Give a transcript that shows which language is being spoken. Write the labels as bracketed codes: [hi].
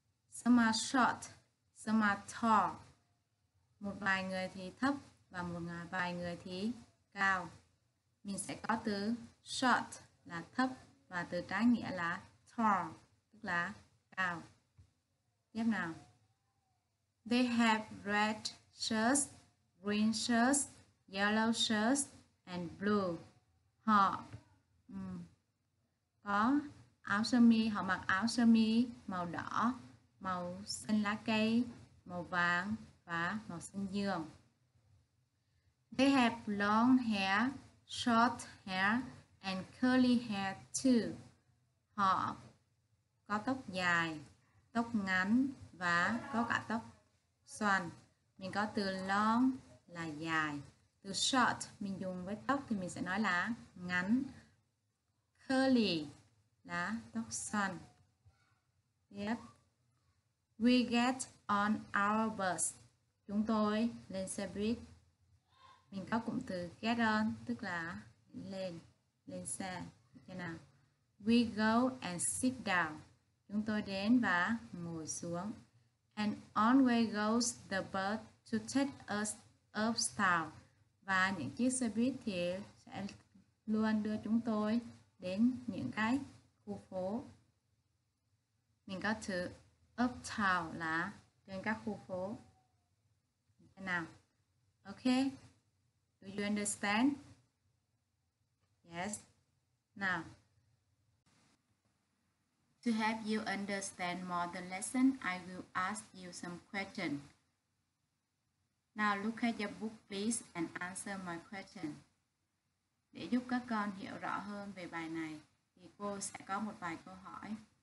[en] Some are short, some are tall. [vi] Một vài người thì thấp và một vài người thì cao. Mình sẽ có từ short là thấp và từ trái nghĩa là tall, tức là cao. Tiếp nào. [en] They have red shirts, green shirts, yellow shirts and blue. [vi] Họ có áo sơ mi, họ mặc áo sơ mi màu đỏ, màu xanh lá cây, màu vàng và màu xanh dương. [en] They have long hair, short hair and curly hair too. [vi] Họ có tóc dài, tóc ngắn và có cả tóc xoăn. Mình có từ long là dài. Từ short mình dùng với tóc thì mình sẽ nói là ngắn. Curly là tóc xoăn. Yep. [en] We get on our bus. [vi] Chúng tôi lên xe buýt. Mình có cụm từ get on, tức là lên xe. Thế nào? [en] We go and sit down. [vi] Chúng tôi đến và ngồi xuống. [en] And on way goes the bus to take us uptown. [vi] Và những chiếc xe buýt thì sẽ luôn đưa chúng tôi đến những cái khu phố. Mình có từ uptown là trên các khu phố. Thế nào? [en] Okay. Do you understand? Yes. Now, to help you understand more the lesson, I will ask you some question. Now look at your book, please, and answer my question. [vi] Để giúp các con hiểu rõ hơn về bài này, thì cô sẽ có một vài câu hỏi.